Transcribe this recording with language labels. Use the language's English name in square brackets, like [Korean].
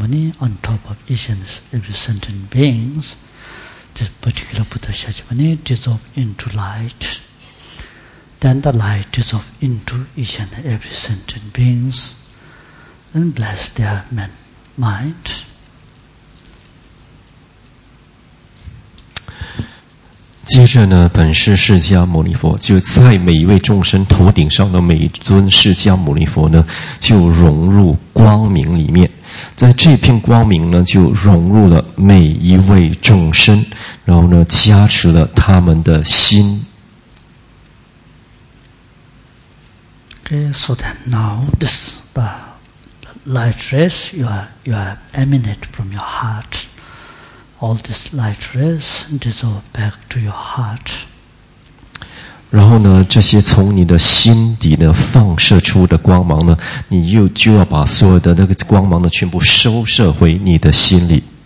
[English] Every sentient beings, this particular Buddha Shakyamuni dissolves into light. Then the light dissolves into each and every sentient beings and bless their mind. [Chinese] Then, 本师释迦牟尼佛就在每一位众生头顶上的每一尊释迦牟尼佛呢，就融入光明里面。在这片光明呢，就融入了每一位众生，然后呢，加持了他们的心。 [English] Okay, so then now this light rays you are emanate from your heart. All this light rays dissolve back to your heart. [Chinese] 然后呢，这些从你的心底呢放射出的光芒呢，你又就要把所有的那个光芒呢全部收摄回你的心里。